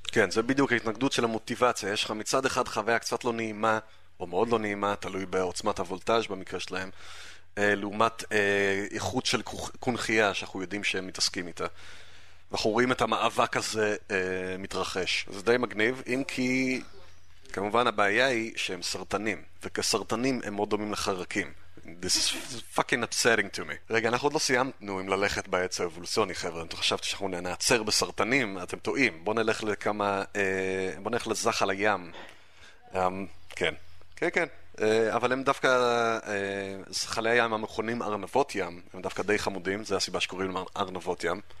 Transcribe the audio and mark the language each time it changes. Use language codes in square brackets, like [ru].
[he] כן, זה בדיוק ההתנגדות של המוטיבציה. יש לך מצד אחד חוויה קצת לא נעימה, או מאוד לא נעימה, תלוי בעוצמת הוולטאז' במקרה שלהם, לעומת איכות של קונחייה שאנחנו יודעים שהם מתעסקים איתה. אנחנו רואים את המאבק הזה מתרחש. זה די מגניב, אם כי כמובן הבעיה היא שהם סרטנים, וכסרטנים הם מאוד דומים לחרקים. [en] This is fucking upsetting to me. [he] רגע, אנחנו עוד לא סיימנו עם ללכת בעץ האבולוציוני, חבר'ה. אם אתם חשבתם שאנחנו נעצר בסרטנים, אתם טועים. בוא נלך לכמה, בוא נלך לזחל הים. כן. כן, כן. אבל הם דווקא, זחלי הים המכונים ארנבות ים, הם דווקא די חמודים, זה הסיבה שקוראים להם ארנבות ים.